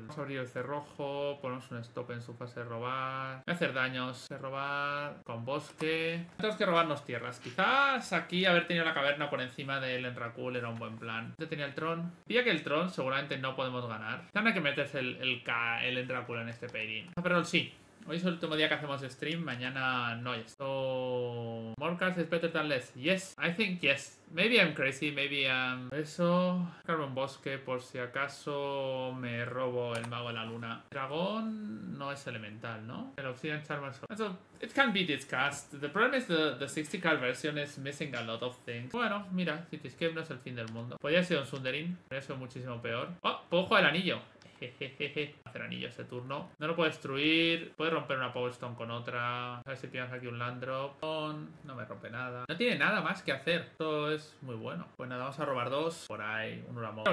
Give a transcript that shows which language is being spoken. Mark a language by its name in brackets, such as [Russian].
[Spanish] Vamos a abrir el cerrojo. Ponemos un stop en su fase de robar. Voy a hacer daños. De robar. Con bosque. Tenemos que robarnos tierras. Quizás aquí haber tenido la caverna por encima del Enrakul era un buen plan. Yo tenía el Tron. Pilla que el Tron seguramente no podemos ganar. Tiene que meterse el Enrakul en este pairing. Ah, pero sí. Hoy es el último día que hacemos stream. Mañana no. Yes. [English] So, more cards is better than less. Yes. I think yes. Maybe I'm crazy. Maybe I'm... Eso. [Spanish] Carbon un bosque por si acaso me robo el mago de la luna. Dragón no es elemental, ¿no? [English] El Obsidian Charmer. So, it can be discussed. The problem is the 60 card version is missing a lot of things. [Spanish] Bueno, mira. Cityscape no es el fin del mundo. Podría haber sido un Sundering. Podría ser muchísimo peor. Oh, puedo jugar el anillo. Jejeje. Hacer anillo ese turno. No lo puede destruir. Puede romper una Power Stone con otra. A ver si tienes aquí un Land Drop. No me rompe nada. No tiene nada más que hacer. Esto es muy bueno. Pues nada, vamos a robar dos. Por ahí, un Uramog.